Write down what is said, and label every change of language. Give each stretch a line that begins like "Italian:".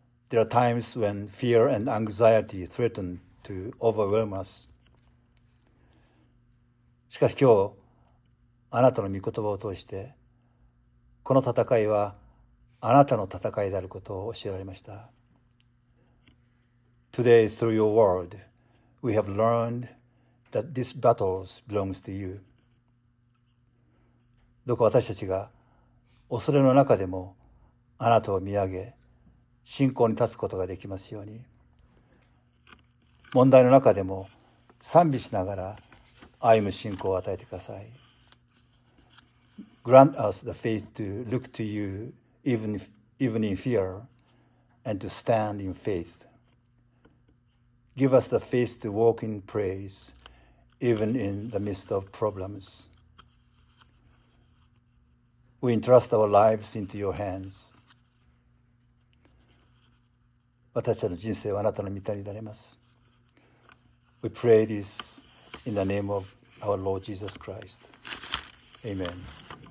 English: There are times when fear and anxiety threaten to overwhelm us.
Japanese: しかし今日、あなたの御言葉を通して、この戦いはあなたの戦いであることを教えられました。
English: Today, through your word, we have learned that these battles belong to you.
Japanese: どうか私たちが恐れの中でもあなたを見上げ信仰に立つことができますように、問題の中でも賛美しながら歩む信仰を与えてください。
English: Grant us the faith to look to you even in fear and to stand in faith. Give us the faith to walk in praise even in the midst of problems. We entrust our lives into your hands.
Japanese: 私たちの人生はあなたの御手になります。
English: We pray this in the name of our Lord Jesus Christ. Amen.